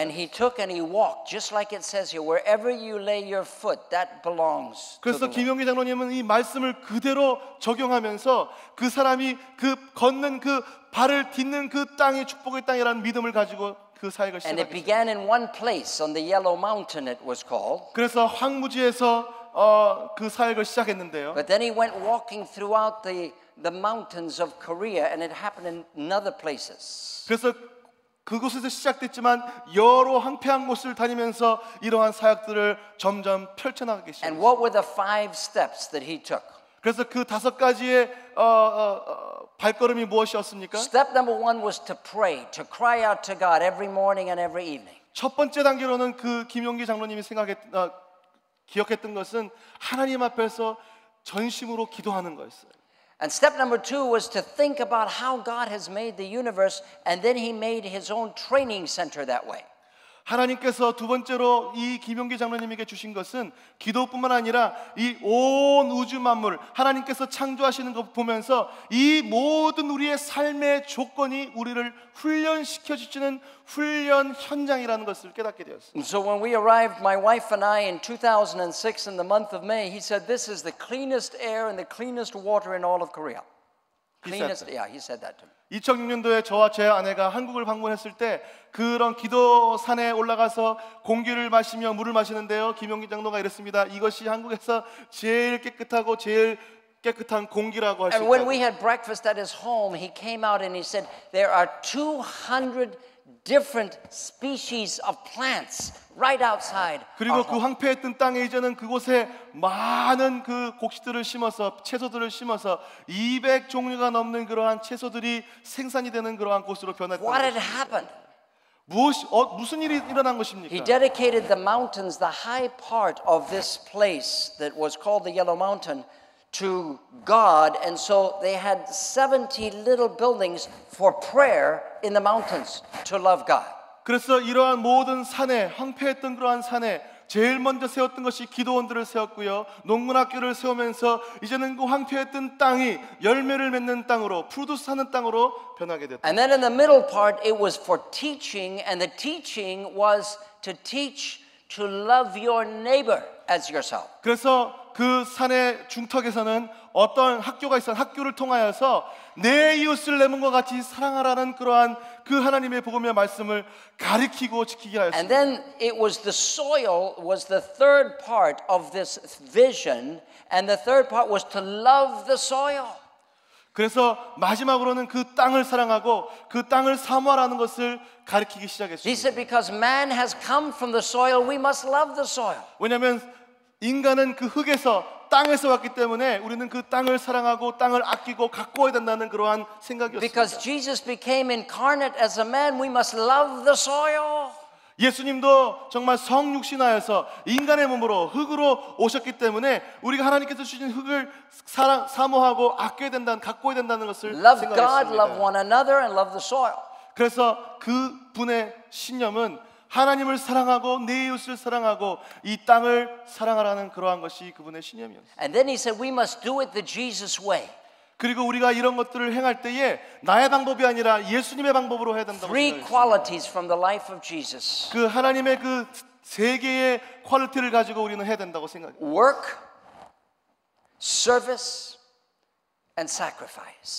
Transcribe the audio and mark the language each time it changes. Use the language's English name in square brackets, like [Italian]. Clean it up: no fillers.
[Korean] 시작했습니다. [English] And he took and he walked just like it says here, wherever you lay your foot, that belongs to the Lord. [Korean] 그래서 김용기 장로님은 이 말씀을 그대로 적용하면서 그 사람이 그 걷는 그 발을 딛는 그 땅이 축복의 땅이라는 믿음을 가지고 그 사역을 시작했습니다. [English] And it began in one place on the Yellow Mountain, it was called. [Korean] 그래서 황무지에서 그 사역을 시작했는데요. [English] But then he went walking throughout the mountains of Korea, and it happened in other places. [Korean] 그래서 그곳에서 시작됐지만 여러 황폐한 곳을 다니면서 이러한 사역들을 점점 펼쳐 나가기 시작했어요. [English] And what were the five steps that he took? [Korean] 그래서 그 다섯 가지의 발걸음이 무엇이었습니까? [English] Step number one was to pray, to cry out to God every morning and every evening. [Korean] 첫 번째 단계로는 그 김용기 장로님이 기억했던 것은 하나님 앞에서 전심으로 기도하는 거였어요. [English] And step number two was to think about how God has made the universe, and then he made his own training center that way. [Korean] 하나님께서 두 번째로 이 김용기 장로님에게 주신 것은 기도뿐만 아니라 이 온 우주 만물 하나님께서 창조하시는 것 보면서 이 모든 우리의 삶의 조건이 우리를 훈련시켜 주시는 훈련 현장이라는 것을 깨닫게 되었습니다. [English] So when we arrived, my wife and I in 2006 in the month of May, he said, "This is the cleanest air and the cleanest water in all of Korea." Cleanest, yeah, he said that to me. [Korean] 2006년도에 저와 제 아내가 한국을 방문했을 때 그런 기도 산에 올라가서 공기를 마시며 물을 마시는데요. 김용기 장로가 이랬습니다. 이것이 한국에서 제일 깨끗하고 제일 깨끗한 공기라고 하시고. [English] And when we had breakfast at his home, he came out and he said, "There are 200 different species of plants right outside." [Korean] 그리고 그 황폐했던 땅에 이제는 그곳에 많은 그 곡식들을 심어서 채소들을 심어서 200 종류가 넘는 그러한 채소들이 생산이 되는 그러한 곳으로 변했다. [English] What had happened? [Korean] 무슨 일이 일어난 것입니까? [English] He dedicated the mountains, the high part of this place that was called the Yellow Mountain, to God, and so they had 70 little buildings for prayer in the mountains to love God. [Korean] 그래서 이러한 모든 산에 황폐했던 그러한 산에 제일 먼저 세웠던 것이 기도원들을 세웠고요. 농문학교를 세우면서 이제는 그 황폐했던 땅이 열매를 맺는 땅으로 프로듀스하는 땅으로 변하게 됐다. [English] And then in the middle part it was for teaching, and the teaching was to teach to love your neighbor as yourself. [Korean] 그래서 그 산의 중턱에서는 어떤 학교가 있어 학교를 통하여서 내 이웃을 내 몸과 같이 사랑하라는 그러한 그 하나님의 복음의 말씀을 가르치고 지키게 하였습니다. [English] And then it was the soil was the third part of this vision, and the third part was to love the soil. [Korean] 그래서 마지막으로는 그 땅을 사랑하고 그 땅을 사모하라는 것을 가르치기 시작했습니다. [English] He said, "Because man has come from the soil, we must love the soil." [Korean] 왜냐하면 인간은 그 흙에서 땅에서 왔기 때문에 우리는 그 땅을 사랑하고 땅을 아끼고 가꾸어야 된다는 그러한 생각이었습니다. [English] Because Jesus became incarnate as a man, we must love the soil. [Korean] 예수님도 정말 성육신하여서 인간의 몸으로 흙으로 오셨기 때문에 우리가 하나님께서 주신 흙을 사랑, 사모하고 아껴야 된다는, 가꾸어야 된다는 것을 [English] love [Korean] 생각했습니다. [English] Love God, love one another, and love the soil. [Korean] 그래서 그분의 신념은 하나님을 사랑하고 내 이웃을 사랑하고 이 땅을 사랑하라는 그러한 것이 그분의 신념이었습니다. [English] And then he said, we must do it the Jesus way. [Korean] 그리고 우리가 이런 것들을 행할 때에 나의 방법이 아니라 예수님의 방법으로 해야 된다고 [English] Three qualities from the life of Jesus. [Korean] 그 하나님의 그 세 개의 퀄리티를 가지고 우리는 해야 된다고 생각합니다. [English] Work, service, and sacrifice.